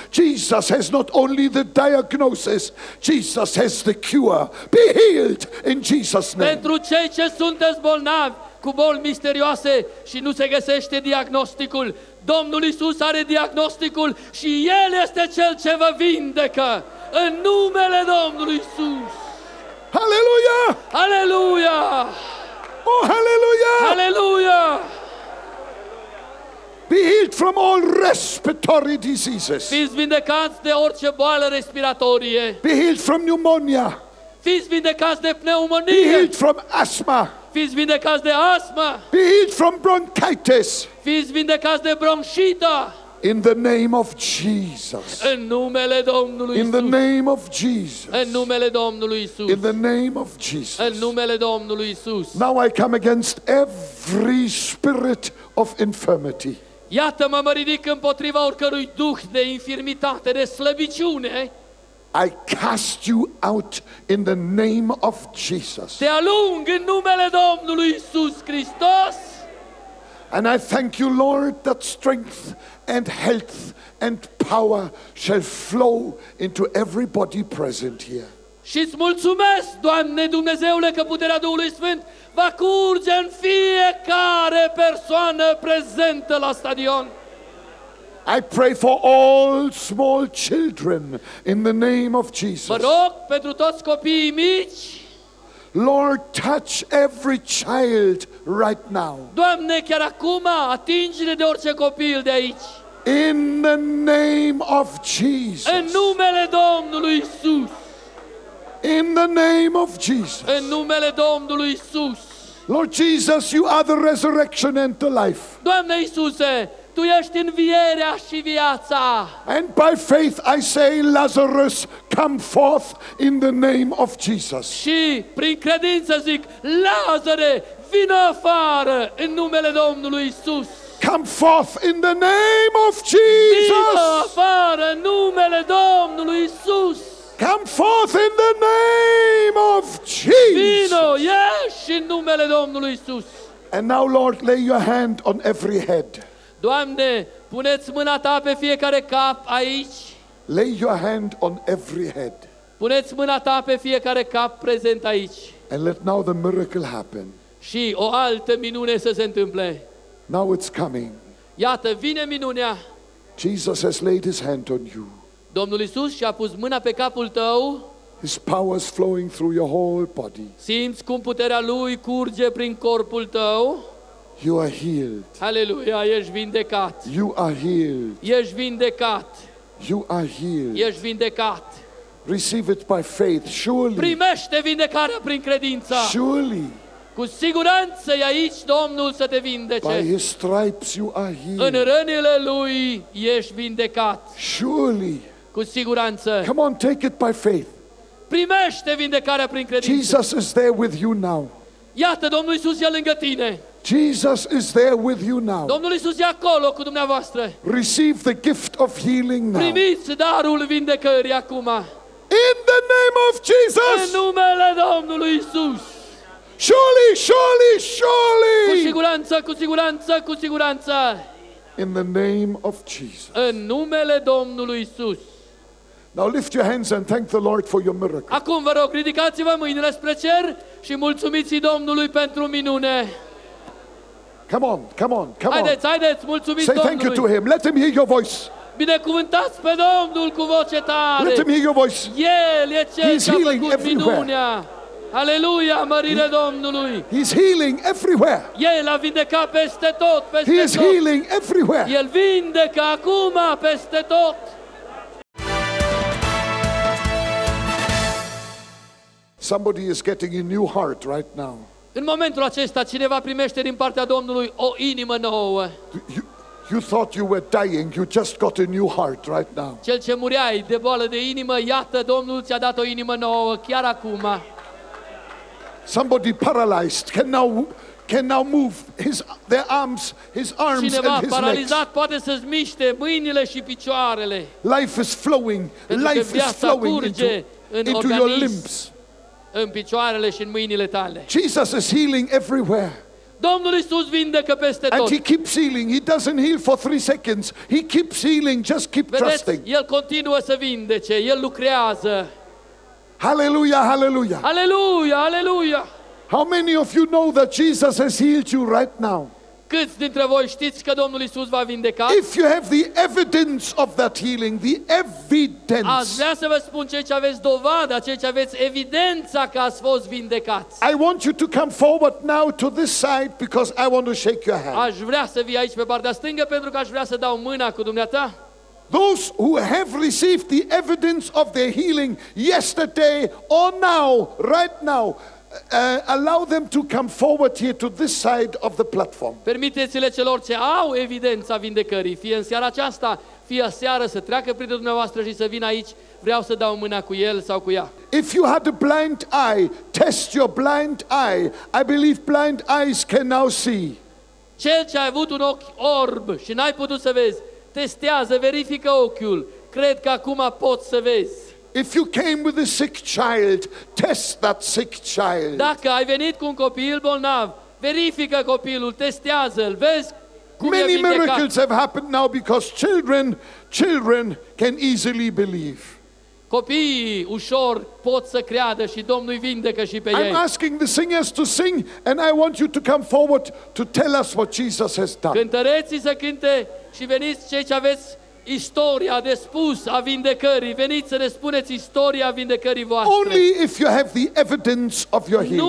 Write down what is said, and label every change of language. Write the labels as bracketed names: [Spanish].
[English] Jesus has not only the diagnosis, Jesus has the cure. Be healed in Jesus' name. [Romanian] Pentru cei ce sunteți bolnavi cu boli misterioase și nu se găsește diagnosticul, Domnul Iisus are diagnosticul și El este Cel ce vă vindecă. În numele Domnului Iisus. [English] Hallelujah! Hallelujah! Oh, hallelujah! Hallelujah! Be healed from all respiratory diseases. [Romanian] Fiți vindecați de orice boală respiratorie. [English] Be healed from pneumonia. [Romanian] Fiți vindecați de pneumonie. [English] Be healed from asthma. [Romanian] Fiți vindecați de asma. [English] Be healed from bronchitis. [Romanian] Fiți vindecați de bronșită. [English] In the name of Jesus. [Romanian] În numele Domnului Iisus. [English] In the name of Jesus. [Romanian] În numele Domnului Iisus. [English] In the name of Jesus. [Romanian] În numele Domnului Iisus. [English] Now I come against every spirit of infirmity. [Romanian] Iată, mă ridic împotriva oricărui duh de infirmitate, de slăbiciune. [English] I cast you out in the name of Jesus. [Romanian] Te alung în numele Domnului Iisus Hristos. [English] And I thank you, Lord, that strength and health and power shall flow into everybody present here. [Romanian] Și îți mulțumesc, Doamne Dumnezeule, că puterea Duhului Sfânt va curge în fiecare persoană prezentă la stadion. [English] I pray for all small children in the name of Jesus. [Romanian] Mă rog pentru toți copiii mici. [English] Lord, touch every child right now. [Romanian] Doamne, chiar acum, atinge-le de orice copil de aici. [English] In the name of Jesus. [Romanian] În numele Domnului Isus. [English] In the name of Jesus. [Romanian] În numele Domnului Isus. [English] Lord Jesus, you are the resurrection and the life. [Romanian] Doamne Isuse, Tu ești învierea și viața. [English] And by faith I say, Lazarus, come forth in the name of Jesus. [Romanian] Și prin credință zic, Lazare, vină afară în numele Domnului Isus. [English] Come forth in the name of Jesus. [Romanian] Vină afară în numele Domnului Isus. [English] Come forth in the name of Jesus. [Romanian] Vino, ieși în numele Domnului Isus. [English] And now, Lord, lay your hand on every head. [Romanian] Doamne, puneți mâna ta pe fiecare cap aici. [English] Lay your hand on every head. [Romanian] Puneți mâna ta pe fiecare cap prezent aici. [English] And let now the miracle happen. [Romanian] Și o altă minune să se întâmple. [English] Now it's coming. [Romanian] Iată, vine minunea. [English] Jesus has laid his hand on you. [Romanian] Domnul Iisus și-a pus mâna pe capul tău. [English] His power is flowing through your whole body. [Romanian] Simți cum puterea lui curge prin corpul tău. [English] You are healed. [Romanian] Aleluia, ești vindecat. [English] You are healed. [Romanian] Ești vindecat. [English] You are healed. [Romanian] Ești vindecat. [English] Receive it by faith, surely. [Romanian] Primește vindecarea prin credință. [English] Surely. [Romanian] Cu siguranță e aici Domnul să te vindece. [English] By his stripes you are healed. [Romanian] În rănile lui ești vindecat. [English] Surely. [Romanian] Cu siguranță. [English] Come on, take it by faith. [Romanian] Primește vindecarea prin credință. [English] Jesus is there with you now. [Romanian] Iată, Domnul Iisus e lângă tine. [English] Jesus is there with you now. [Romanian] Domnul Iisus e acolo cu dumneavoastră. [English] Receive the gift of healing now. [Romanian] Primiți darul vindecării acum. [English] In the name of Jesus. [Romanian] În numele Domnului Iisus. [English] Surely, surely, surely. [Romanian] Cu siguranță, cu siguranță, cu siguranță. [English] In the name of Jesus. [Romanian] În numele Domnului Iisus. [English] Now lift your hands and thank the Lord for your miracle. [Romanian] Acum vă rog, ridicați-vă mâinile spre cer și mulțumiți Domnului pentru minune. [English] Come on, come on, come on. [Romanian] Haideți, haideți, mulțumiți Domnului. [English] Say thank you to him. Let him hear your voice. [Romanian] Binecuvântați pe Domnul cu voce tare. [English] Let him hear your voice. [Romanian] El e cel ce a făcut minunea. Aleluia, mărire Domnului. [English] He's healing everywhere. [Romanian] El a vindecat peste tot, peste tot. [English] He is healing everywhere. [Romanian] El vindecă acum peste tot. [English] Somebody is getting a new heart right now. [Romanian] În momentul acesta cineva primește din partea Domnului o inimă nouă. [English] You thought you were dying, you just got a new heart right now. [Romanian] Cel ce mureai de boală de inimă, iată Domnul ți-a dat o inimă nouă chiar acum. [English] Somebody paralyzed can now move his arms [Romanian] cineva [English] and his [Romanian] paralizat [English] legs. [Romanian] Poate să-și miște mâinile și picioarele. [English] Life is flowing. Life is flowing into your limbs. [Romanian] În picioarele și în mâinile tale. [English] Jesus is healing everywhere. [Romanian] Domnul Iisus vindecă peste tot. [English] And he keeps healing. He doesn't heal for 3 seconds. He keeps healing. Just keep [Romanian] Vedeți? [English] Trusting. [Romanian] El continuă să vindece. El lucrează. [English] Hallelujah, hallelujah. Hallelujah, hallelujah. How many of you know that Jesus has healed you right now? [Romanian] Câți dintre voi știți că Domnul Iisus va vindeca? [English] If you have the evidence of that healing, the evidence. [Romanian] Aș vrea să vă spun ce aveți dovada, ce aveți evidența că ați fost vindecați. [English] I want you to come forward now to this side because I want to shake your hand. [Romanian] Aș vrea să vii aici pe partea stângă pentru că aș vrea să dau mâna cu dumneata. [English] Those who have received the evidence of their healing yesterday or now, right now. Allow them to come forward here to this side of the platform. [Romanian] Permiteți-le celor ce au evidența vindecării, fie în seara aceasta, fie aseară, să treacă prin dumneavoastră și să vină aici. Vreau să dau mâna cu el sau cu ea. [English] If you had a blind eye, test your blind eye. I believe blind eyes can now see. [Romanian] Cel ce a avut un ochi orb și n-ai putut să vezi, testează, verifică ochiul. Cred că acum poți să vezi. [English] If you came with a sick child, test that sick child. [Romanian] Dacă ai venit cu un copil bolnav, verifică copilul, testează-l, vezi cum e vindecat. [English] Many miracles have happened now because children can easily believe. [Romanian] Copiii ușor pot să creadă și Domnul îi vindecă și pe ei. [English] I'm asking the singers to sing and I want you to come forward to tell us what Jesus has done. [Romanian] Cântăreții să cânte și veniți cei ce aveți istoria de spus a vindecării. Veniți să ne spuneți istoria vindecării voastre. [English] Only if you have the evidence of your healing.